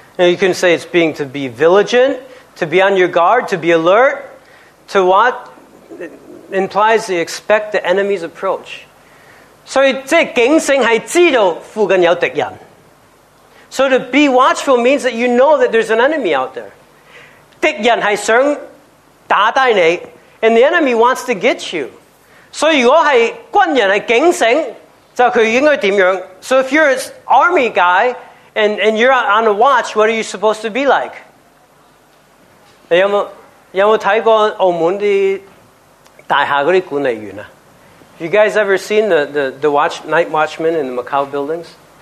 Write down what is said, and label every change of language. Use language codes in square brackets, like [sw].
[en] You can say it's being to be vigilant, to be on your guard, to be alert, to what implies to expect the enemy's approach. [zh] 所以警醒是知道附近有敌人. [en] So to be watchful means that you know that there's an enemy out there. [zh] 敌人是想打败你, and the enemy wants to get you. 所以如果是军人是警醒, 就他应该怎样? [en] So if you're an army guy, and you're on a watch, what are you supposed to be like? [zh] 你有没有看过澳门的大厦的管理员啊? [en] You guys ever seen the watch night watchmen in the Macau buildings?